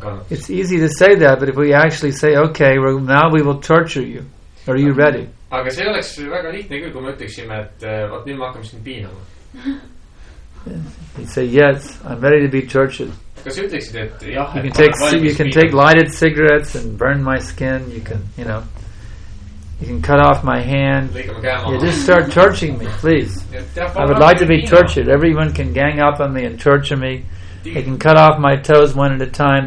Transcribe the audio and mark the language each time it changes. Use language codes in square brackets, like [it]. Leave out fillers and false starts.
[en] It's easy to say that, but if we actually say, okay, well, now we will torture you. Are you ready? [et] Aga see oleks väga lihtne küll, kui me ütleksime, et vaat nüüd me hakkame siin piinama. [en] You say, yes, I'm ready to be tortured. [et] Kas ütleksid, et jah, [en] you can take, you can take lighted cigarettes and burn my skin, you can, you know, you can cut off my hand. Yeah, just start torturing me, please. I would like to be tortured. Everyone can gang up on me and torture me. They can cut off my toes one at a time.